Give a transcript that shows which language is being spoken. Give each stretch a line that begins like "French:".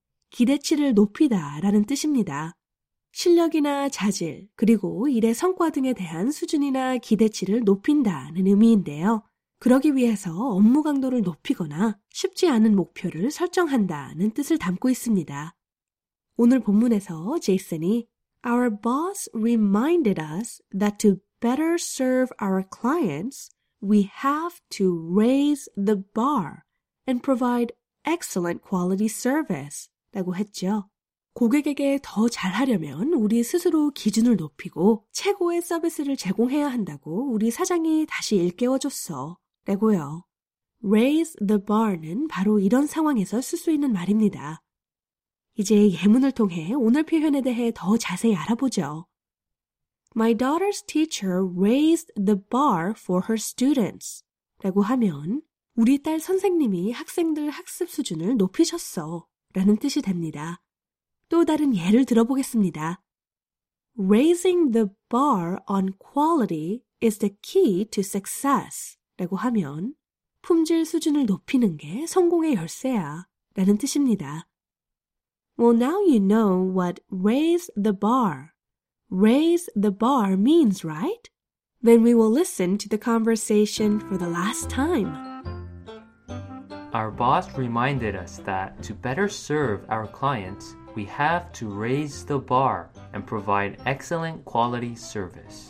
Korean: 기대치를 높이다 라는 뜻입니다. 실력이나 자질, 그리고 일의 성과 등에 대한 수준이나 기대치를 높인다는 의미인데요. 그러기 위해서 업무 강도를 높이거나 쉽지 않은 목표를 설정한다는 뜻을 담고 있습니다. 오늘 본문에서 제이슨이
English: Our boss reminded us that to better serve our clients, we have to raise the bar and provide excellent quality service.
Korean: 라고 했죠. 고객에게 더 잘하려면 우리 스스로 기준을 높이고 최고의 서비스를 제공해야 한다고 우리 사장이 다시 일깨워줬어. 라고요.
English: Raise the bar
Korean: 는 바로 이런 상황에서 쓸 수 있는 말입니다. 이제 예문을 통해 오늘 표현에 대해 더 자세히 알아보죠.
English: My daughter's teacher raised the bar for her students.
Korean: 라고 하면 우리 딸 선생님이 학생들 학습 수준을 높이셨어 라는 뜻이 됩니다. 또 다른 예를 들어보겠습니다.
English: Raising the bar on quality is the key to success.
Korean: 라고 하면 품질 수준을 높이는 게 성공의 열쇠야 라는 뜻입니다.
English: Well, now you know what raise the bar. Raise the bar means, right? Then we will listen to the conversation for the last time. Our boss reminded us that to better serve our clients, we have to raise the bar and provide excellent quality service.